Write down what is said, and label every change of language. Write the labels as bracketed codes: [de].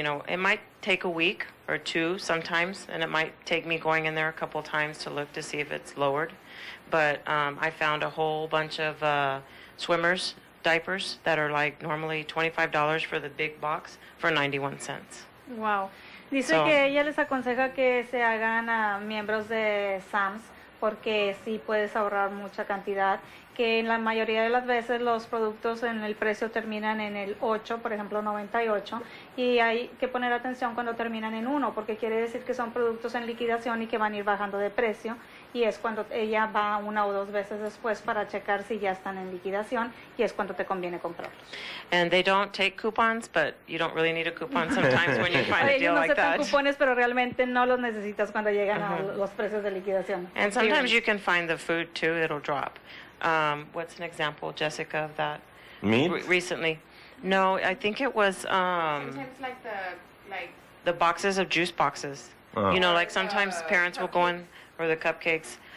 [en] You know, it might take a week or two sometimes, and it might take me going in there a couple times to look to see if it's lowered. But I found a whole bunch of swimmers diapers that are like normally $25 for the big box for 91 cents. Wow. [es] Dice que ella les aconseja que se hagan miembros de Sam's, porque sí puedes ahorrar mucha cantidad, que en la mayoría de las veces los productos en el precio terminan en el 8, por ejemplo, 98, y hay que poner atención cuando terminan en 1, porque quiere decir que son productos en liquidación y que van a ir bajando de precio, y es cuando ella va una o dos veces después para checar si ya están en liquidación, y es cuando te conviene comprarlos. [en] And they don't take coupons, but you don't really need a coupon sometimes when you find a deal like that. [es] Ellos no aceptan cupones, pero realmente no los necesitas cuando llegan a los precios de liquidación. [en] And sometimes you can find the food, too, it'll drop. What's an example, Jessica, of that? Meat? Recently. No, I think it was... sometimes like the boxes of juice boxes. Oh. You know, like sometimes parents will go in, or the cupcakes.